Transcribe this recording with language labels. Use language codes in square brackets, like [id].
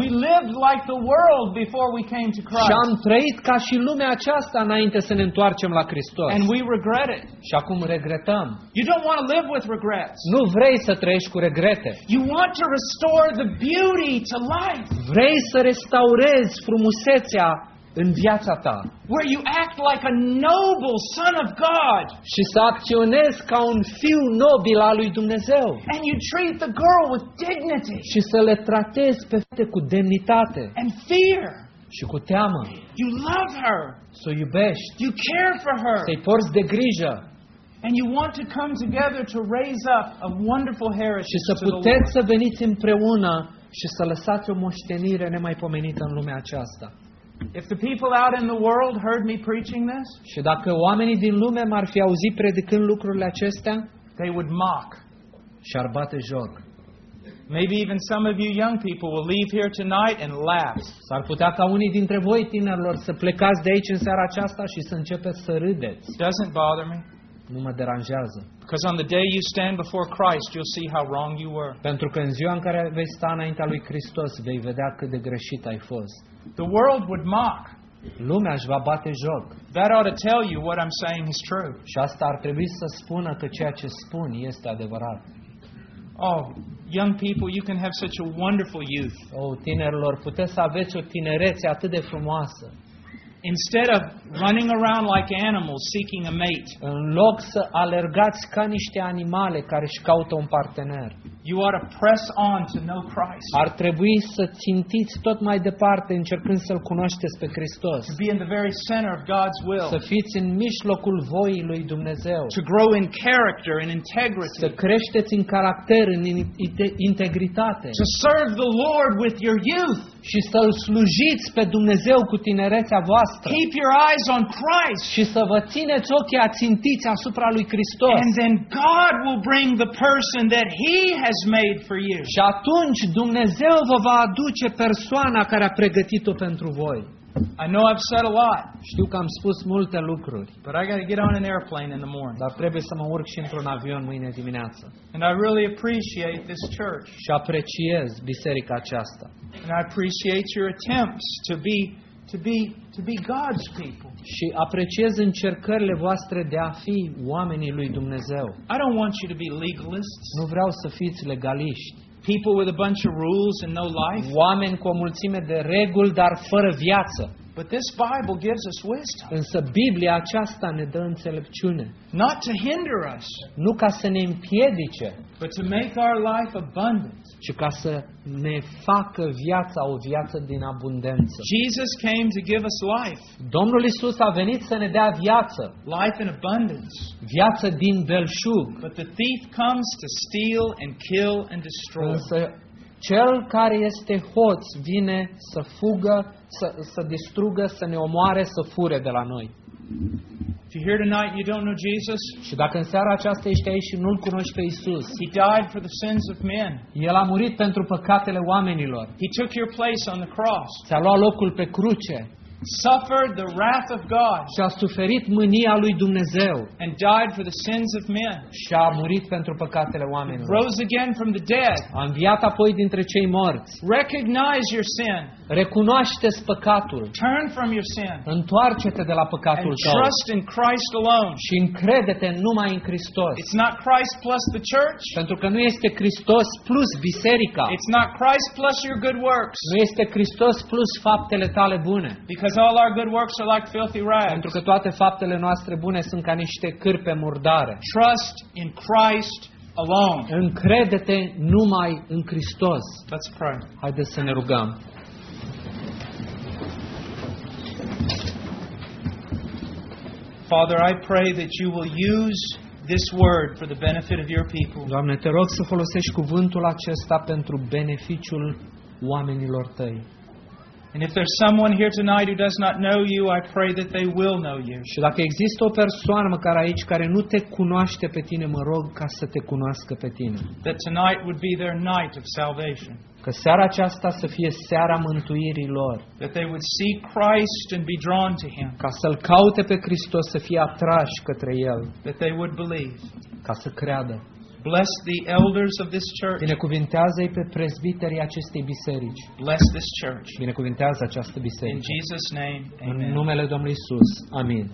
[en] We lived like the world before we came to Christ. [ro] Și am trăit ca și lumea aceasta înainte să ne întoarcem la Hristos. [en] And we regret it. [ro] Și acum regretăm. [en] You don't want to live with regrets. [ro] Nu vrei să trăiești cu regrete. [en] You want to restore the beauty to life. [ro] Vrei să restaurezi frumusețea în viața ta. [en] Where you act like a noble son of God. [ro] Și să acționezi ca un fiu nobil al lui Dumnezeu. [en] And you treat the girl with dignity. [ro] Și să le tratezi pe fete cu demnitate. [en] And fear. [ro] Și cu teamă. [en] You love her. [ro] Să o iubești. [en] You care for her. [ro] Să-i porți de grijă. [en] And you want to come together to raise up a wonderful heritage. [ro] Și să puteți să veniți împreună și să lăsați o moștenire nemaipomenită în lumea aceasta. [en] If the people out in the world heard me preaching this, [ro] și dacă oamenii din lume m-ar fi auzit predicând lucrurile acestea, [en] they would mock. [ro] Și-ar bate joc. [en] Maybe even some of you young people will leave here tonight and laugh. [ro] S-ar putea ca unii dintre voi tinerilor să plecați de aici în seara aceasta și să începeți să râdeți. [en] Doesn't bother me. [ro] Nu mă deranjează. [en] Because on the day you stand before Christ, you'll see how wrong you were. [ro] Pentru că în ziua în care vei sta înaintea lui Hristos, vei vedea cât de greșit ai fost. [en] The world would mock. [ro] Lumea își va bate joc. [en] That ought to tell you what I'm saying is true. [ro] Și asta ar trebui să spună că ceea ce spun este adevărat. [en] Oh, young people, you can have such a wonderful youth. [ro] Oh, tinerilor, puteți să aveți o tinerețe atât de frumoasă. [en] Instead of running around like animals seeking a mate, [ro] în loc să alergați ca niște animale care își caută un partener, [en] you ought to press on to know Christ. [ro] Ar trebui să țintiți tot mai departe încercând să-L cunoașteți pe Hristos. [en] To be in the very center of God's will. [ro] Să fiți în mijlocul voii lui Dumnezeu. [en] To grow in character and integrity. [ro] Să creșteți în caracter, în integritate. [en] To serve the Lord with your youth. [ro] Și să-L slujiți pe Dumnezeu cu tinerețea voastră. [en] Keep your eyes on Christ. [ro] Și să vă țineți ochii ațintiți asupra lui Hristos. [en] And then God will bring the person that He has made for you. [ro] Și atunci Dumnezeu vă va aduce persoana care a pregătit-o pentru voi. [en] I know I've said a lot. [ro] Știu că am spus multe lucruri. [en] But I gotta get on an airplane in the morning. [ro] Dar trebuie să mă urc și într-un avion mâine dimineață. [en] And I really appreciate this church. [ro] Și apreciez biserica aceasta. [en] And I appreciate your attempts to be God's people. [ro] Și apreciez încercările voastre de a fi oamenii lui Dumnezeu. [en] I don't want you to be legalists. [ro] Nu vreau să fiți legaliști. [en] People with a bunch of rules and no life. [ro] Oameni cu o mulțime de reguli, dar fără viață. [en] But this Bible gives us wisdom. [ro] Însă Biblia aceasta ne dă înțelepciune. [en] Not to hinder us. [ro] Nu ca să ne împiedice. [en] But to make our life abundant. [ro] Ci ca să ne facă viața o viață din abundență. [en] Jesus came to give us life. [ro] Domnul Iisus a venit să ne dea viață. [en] Life in abundance. [ro] Viață din belșug. [en] But the thief comes to steal and kill and destroy. [ro] Însă cel care este hoț vine să fugă, să distrugă, să ne omoare, să fure de la noi. [en] If you're here tonight, you don't know Jesus. [ro] Și dacă în seara aceasta ești aici și nu-l cunoști pe Iisus. [en] He died for the sins of men. [ro] El a murit pentru păcatele oamenilor. [en] He took your place on the cross. [ro] Ți-a luat locul pe cruce. [en] Suffered the wrath of God. [ro] Și a suferit mânia lui Dumnezeu. [en] And died for the sins of men. [ro] Și a murit pentru păcatele oamenilor. [en] Rose again from the dead. [ro] A înviat apoi dintre cei morți. [en] Recognize your sin. [ro] Recunoaște-ți păcatul. [en] Turn from your sin. [ro] Întoarce-te de la păcatul [en] and [ro] tău. [en] Trust in Christ alone. [ro] Și încrede-te numai în Hristos. [en] It's not Christ plus the church. [ro] Pentru că nu este Hristos plus biserica. [en] It's not Christ plus your good works. [ro] Nu este Hristos plus faptele tale bune. [en] Because all our good works are like filthy rags. [ro] Pentru că toate faptele noastre bune sunt ca niște cârpe murdare. [en] Trust in Christ alone. [ro] Încrede-te numai în Hristos. [en] Let's pray. [ro] Haideți să ne rugăm. [en] Father, I pray that you will use this word for the benefit of your people. [ro] Doamne, te rog să folosești cuvântul acesta pentru beneficiul oamenilor tăi. [en] And if there's someone here tonight who does not know you, I pray that they will know you. [ro] Și dacă există o persoană măcar aici care nu te cunoaște pe tine, mă rog ca să te cunoască pe tine. [en] That tonight would be their night of salvation. [ro] Că seara aceasta să fie seara mântuirii lor. [en] That they would see Christ and be drawn to him. [ro] Ca să-l caute pe Hristos, să fie atrași către el. [en] That they would believe. [ro] Ca să creadă. [en] Bless the elders of this church. [ro] Binecuvintează-i pe presbiterii acestei biserici. [en] Bless this church. [ro] Binecuvintează această biserică. [en] In Jesus' name, amen. [ro] În numele Domnului Iisus. Amin.